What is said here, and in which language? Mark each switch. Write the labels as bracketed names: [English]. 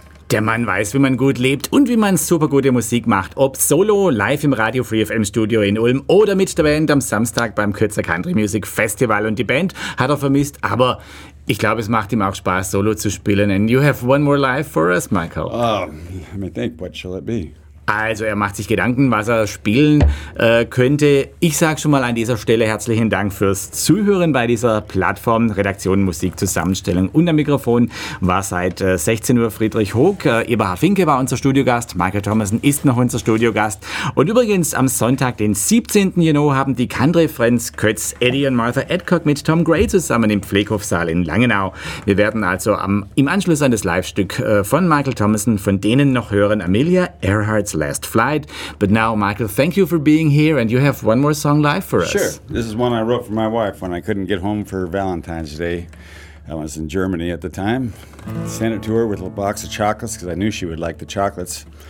[German] Der Mann weiß, wie man gut lebt und wie man super gute Musik macht. Ob solo, live im Radio Free FM Studio in Ulm oder mit der Band am Samstag beim Kürzer Country Music Festival. Und die Band hat er vermisst, aber ich glaube, es macht ihm auch Spaß, solo zu spielen. [English] And you have one more life for us, Michael. Let me think, what shall it be? [German] Also er macht sich Gedanken, was er spielen könnte. Ich sage schon mal an dieser Stelle herzlichen Dank fürs Zuhören bei dieser Plattform Redaktion Musik Zusammenstellung. Und am Mikrofon war seit 16 Uhr Friedrich Hoog. Eberhard Finke war unser Studiogast. Michael Thomason ist noch unser Studiogast. Und übrigens am Sonntag, den 17. Juni, haben die Country Friends Kötz, Eddie und Martha Adcock mit Tom Gray zusammen im Pfleghofsaal in Langenau. Wir werden also im Anschluss an das Live-Stück von Michael Thomason von denen noch hören. [English] Amelia Earhart's Last Flight. But now, Michael, thank you for being here, and you have one more song live for us. Sure. This is one I wrote for my wife when I couldn't get home for Valentine's Day. I was in Germany at the time. Sent it to her with a box of chocolates because I knew she would like the chocolates.